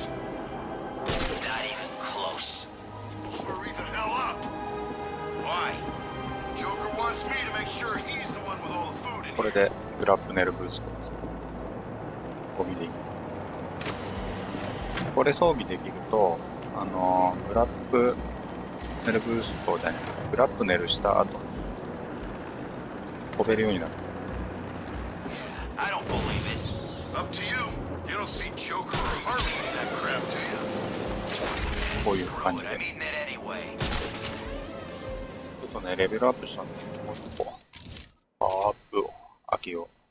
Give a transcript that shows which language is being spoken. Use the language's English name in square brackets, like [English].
[English] Not even close. Hurry the hell up! Why? Joker wants wants me to make sure he's the one with all the food in here. [Japanese] これでグラップネルブーストゴミでいい。これ装備できると、グラップネルブーストじゃない、グラップネルした後飛べるようになる。 [English] I don't believe it. Up to you. You don't see Joker or Harvey in that crap, do you? [Japanese] こういう感じで。ちょっとね、レベルアップしたんで、もう一個。パワーアップを開けよう。